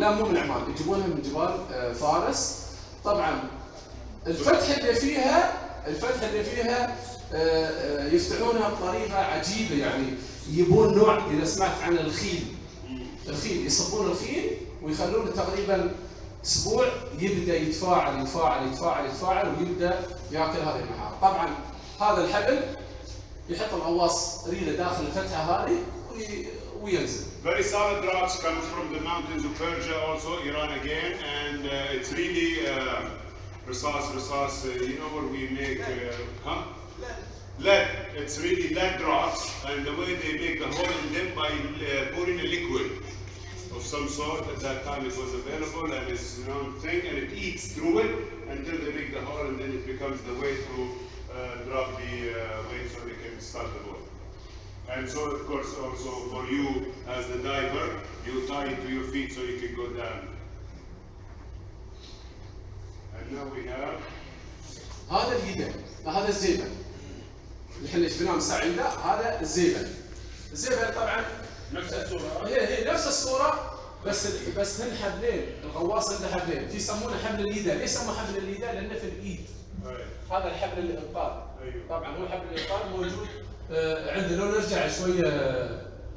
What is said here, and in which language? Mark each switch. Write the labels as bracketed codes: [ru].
[ar] لا مو من عمان، يجيبونها من جبال فارس. طبعا الفتحة اللي فيها يفتحونها بطريقة عجيبة يعني يبون نوع إذا سمعت عن الخيل يصبون الخيل ويخلونه تقريبا أسبوع يبدأ يتفاعل يتفاعل يتفاعل يتفاعل ويبدأ يأكل هذه المحاة طبعا هذا الحبل يحط الغواص ريله داخل الفتحة هذه وينزل. [en] Very solid rocks come from the mountains of Persia also Iran again and it's really Rasas, you know what we make, Lead. It's really lead drops, and the way they make the hole in them by pouring a liquid of some sort. At that time it was available, and it's a known thing, and it eats through it until they make the hole, and then it becomes the way to drop the weight so they can start the boat. And so, of course, also for you as the diver, you tie it to your feet so you can go down. [ar] هذا الهيدل هذا الزيبل نحن شفناه من ساعه عنده هذا الزيبل الزيبل طبعا نفس الصوره هي نفس الصوره بس هن حبلين الغواص عنده حبلين في يسمونه حبل الهيدل ليش سموه حبل الهيدل لانه في الايد هذا الحبل الانقاذ طبعا هو حبل الانقاذ موجود عنده لو نرجع شويه